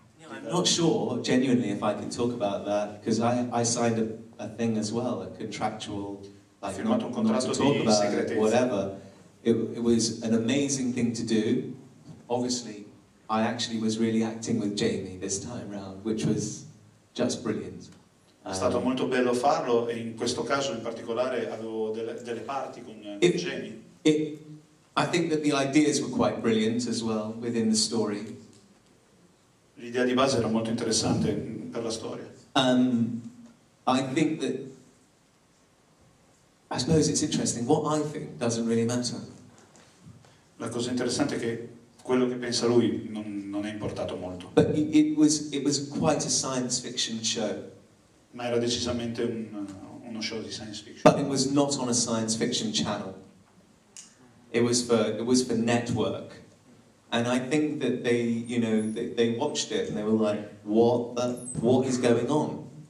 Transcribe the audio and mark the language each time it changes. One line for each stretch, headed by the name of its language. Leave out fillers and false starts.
English: I'm not sure, genuinely, if I can talk about that, because I signed a thing as well, a contractual, like not to talk about it, whatever. It was an amazing thing to do. Obviously, I actually was really acting with Jamie this time round, which was just brilliant.
Italian: È stato molto bello farlo, e in questo caso in particolare avevo delle parti con Jamie.
English: I think that the ideas were quite brilliant as well within the story.
Italian: L'idea di base era molto interessante per la storia.
English: I think that, I suppose it's interesting, what I think doesn't really matter.
Italian: La cosa interessante è che quello che pensa lui non è importato molto.
English: But it was quite a science fiction show.
Italian: Ma era decisamente uno show di science fiction.
English: But it was not on a science fiction channel. It was for network. And I think that they, you know, they watched it and they were like, what's going on?